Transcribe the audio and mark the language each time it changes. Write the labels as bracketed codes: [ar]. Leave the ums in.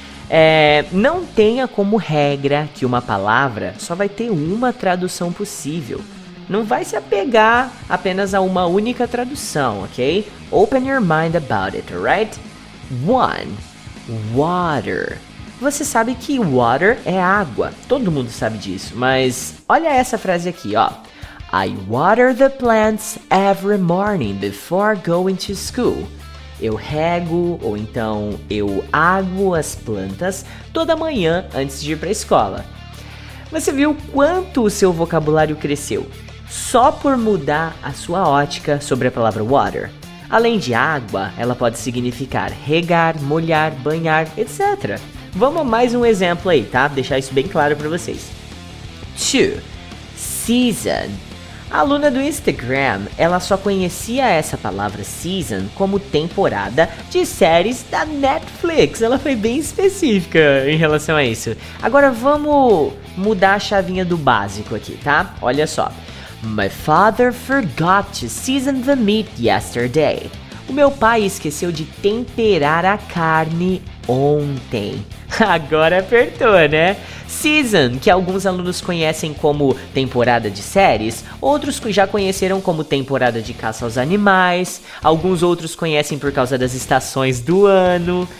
[pt] É, não tenha como regra que uma palavra só vai ter uma tradução possível. Não vai se apegar apenas a uma única tradução, ok? [en] Open your mind about it, right? One. Water. [pt] Você sabe que water é água. Todo mundo sabe disso, mas olha essa frase aqui, ó. [en] I water the plants every morning before going to school. [pt] Eu rego ou então eu água as plantas toda manhã antes de ir para a escola. Você viu quanto o seu vocabulário cresceu só por mudar a sua ótica sobre a palavra water? Além de água, ela pode significar regar, molhar, banhar, etc. Vamos mais um exemplo aí, tá? Vou deixar isso bem claro para vocês. To season a aluna do Instagram, ela só conhecia essa palavra season como temporada de séries da Netflix. Ela foi bem específica em relação a isso. Agora vamos mudar a chavinha do básico aqui, tá? Olha só. [en] My father forgot to season the meat yesterday. [pt] O meu pai esqueceu de temperar a carne ontem. Agora apertou, né? Season, que alguns alunos conhecem como temporada de séries, outros já conheceram como temporada de caça aos animais, alguns outros conhecem por causa das estações do ano.